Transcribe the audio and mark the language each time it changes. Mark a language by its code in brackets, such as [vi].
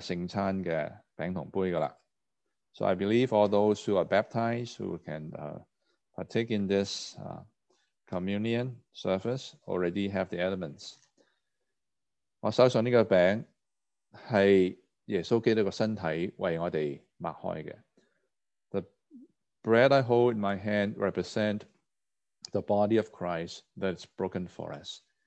[en] So I believe all those who are baptized, who can partake in this communion service, already have the elements. [zh] 我手上这个饼是耶稣基督的身体为我们擘开的。 [en] The bread I hold in my hand represents the body of Christ that is broken for us.